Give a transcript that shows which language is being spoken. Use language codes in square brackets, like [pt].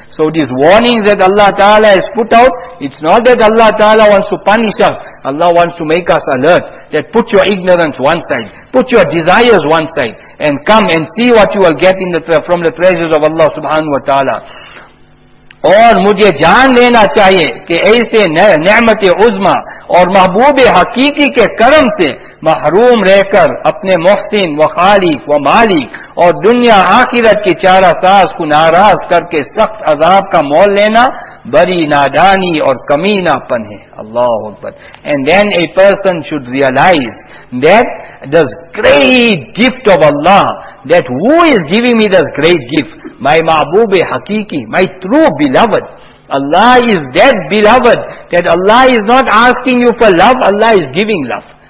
[en] So these warnings that Allah Ta'ala has put out, it's not that Allah Ta'ala wants to punish us. Allah wants to make us alert. That put your ignorance one side, put your desires one side, and come and see what you will get from the treasures of Allah Subhanahu Wa Ta'ala. [ur] اور مجھے جان لینا چاہیے کہ ایسے نعمت عظمہ اور محبوب حقیقی کے کرم سے محروم رہ کر اپنے محسن و خالق و مالک اور دنیا آخرت کے چارہ ساز کو ناراض کر کے سخت عذاب کا مول لینا بری نادانی اور کمینہ پن ہے. اللہ اکبر. [en] And then a person should realize that this great gift of Allah, that who is giving me this great gift? My [ur] mahbub haqiqi, [en] my true beloved. Allah is that beloved, that Allah is not asking you for love, Allah is giving love.